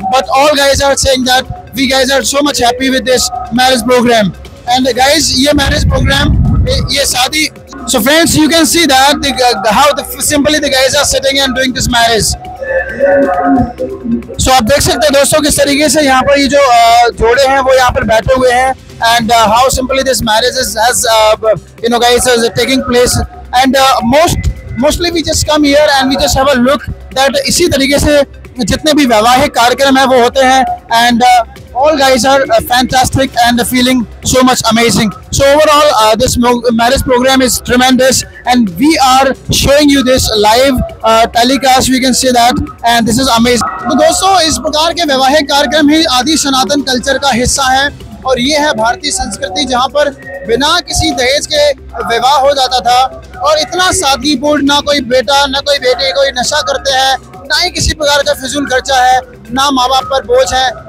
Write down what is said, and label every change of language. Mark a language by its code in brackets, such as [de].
[en] But all guys are saying that we guys are so much happy with this marriage program. And guys [hi] ये marriage programme ये शादी. [en] So friends you can see that how simply the guys are sitting and doing this marriage. [hi] सो आप देख सकते हैं दोस्तों किस तरीके से यहाँ पर ये जो जोड़े हैं वो यहाँ पर बैठे हुए हैं. [en] And how simply this marriage is, as you know, guys, is taking place. And mostly we just come here and we just have a look that [hi] इसी तरीके से जितने भी वैवाहिक कार्यक्रम हैं वो होते हैं. [en] And all guys are fantastic and feeling so much amazing. So overall this marriage program is tremendous and we are showing you this live telecast. We can see that and this is amazing. [hi] तो दोस्तों इस प्रकार के वैवाहिक कार्यक्रम ही आदि सनातन culture का हिस्सा है और ये है भारतीय संस्कृति जहाँ पर बिना किसी दहेज के विवाह हो जाता था. और इतना सादगीपूर्ण, ना कोई बेटा ना कोई बेटी कोई नशा करते हैं, ना ही किसी प्रकार का फिजूल खर्चा है, ना माँ बाप पर बोझ है.